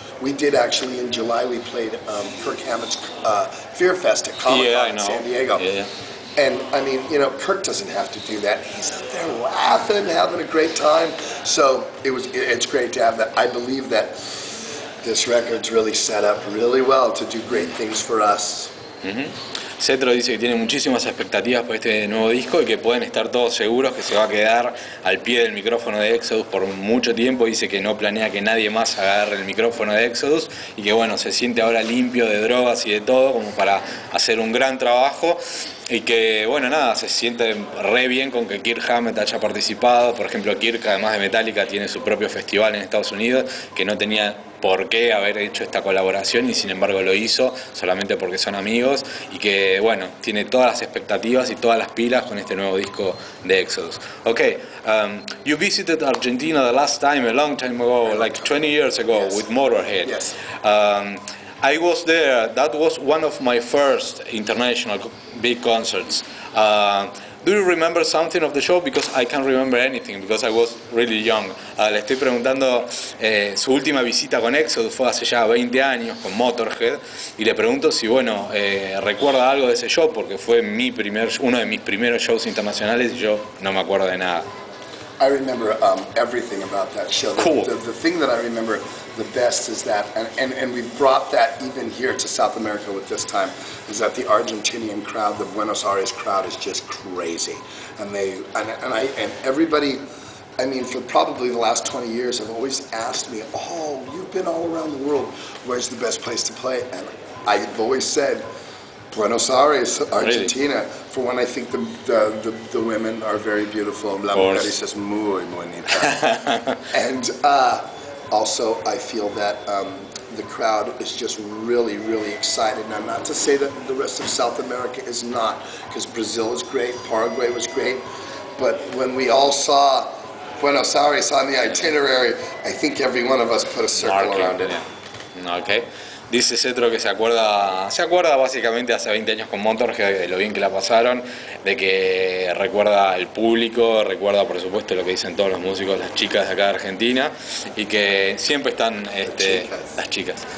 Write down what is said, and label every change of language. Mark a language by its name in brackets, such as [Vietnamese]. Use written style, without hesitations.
[English] We did actually in July, we played Kirk Hammett's Fear Fest at Comic-Con in San Diego. And I mean, you know, Kirk doesn't have to do that. He's out there laughing, having a great time. So it was, it's great to have that. I believe that this record's really set up really well to do great things for us. [Spanish] Cetro dice que tiene muchísimas expectativas por este nuevo disco y que pueden estar todos seguros que se va a quedar al pie del micrófono de Exodus por mucho tiempo. Dice que no planea que nadie más agarre el micrófono de Exodus y que bueno, se siente ahora limpio de drogas y de todo como para hacer un gran trabajo. Y que bueno, nada, se siente re bien con que Kirk Hammett haya participado. Por ejemplo, Kirk, además de Metallica, tiene su propio festival en Estados Unidos, que no tenía por qué haber hecho esta colaboración y sin embargo lo hizo solamente porque son amigos, y que bueno, tiene todas las expectativas y todas las pilas con este nuevo disco de Exodus. [English] Okay, you visited Argentina the last time a long time ago, like 20 years ago, yes, with Motorhead. Yes. I was there. That was one of my first international big concerts. Do you remember something of the show? Because I can't remember anything, because I was really young. [Spanish] Le estoy preguntando, su última visita con Exodus fue hace ya 20 años con Motorhead, y le pregunto si, bueno, recuerda algo de ese show, porque fue mi primer, uno de mis primeros shows internacionales y yo no me acuerdo de nada. [English] I remember everything about that show. Cool. The thing that I remember the best is that, and we brought that even here to South America with this time, is that the Argentinian crowd, the Buenos Aires crowd, is just crazy. And they, and everybody, I mean, for probably the last 20 years, have always asked me, oh, you've been all around the world, where's the best place to play? And I've always said, Buenos Aires, Argentina. Really? For one, I think the women are very beautiful. [Spanish] La mujer es muy bonita. [English] And also, I feel that the crowd is just really, really excited. Now, not to say that the rest of South America is not, because Brazil is great, Paraguay was great, but when we all saw Buenos Aires on the itinerary, I think every one of us put a circle around it. Okay. [Spanish] Dice Cetro que se acuerda básicamente hace 20 años con Motorhead, de lo bien que la pasaron, de que recuerda el público, recuerda por supuesto lo que dicen todos los músicos, las chicas de acá de Argentina, y que siempre están las chicas